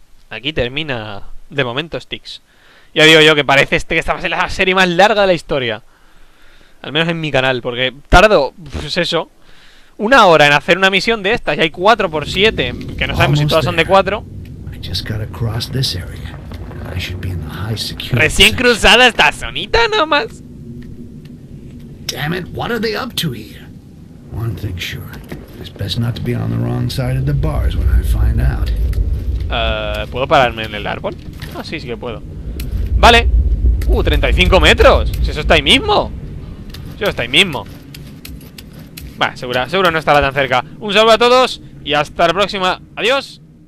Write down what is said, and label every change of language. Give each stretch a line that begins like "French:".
Spanish: Aquí termina de momento Styx. Ya digo yo que parece este que esta va a ser la serie más larga de la historia. Al menos en mi canal, porque tardo, pues eso, una hora en hacer una misión de estas. Y hay 4x7, que no sabemos si todas son de 4.
English: just got across this area. I should be in the high security.
Spanish: Recién cruzada esta zonita nomás.
English: Damn it, what are they up to here? One thing sure. It's best not to be on the wrong side of the bars when I find out.
Spanish: ¿Puedo pararme en el árbol? Ah, sí, sí que puedo. Vale. 35 metros. Si eso está ahí mismo. Si eso está ahí mismo. Vale, seguro no estaba tan cerca. Un saludo a todos y hasta la próxima. Adiós.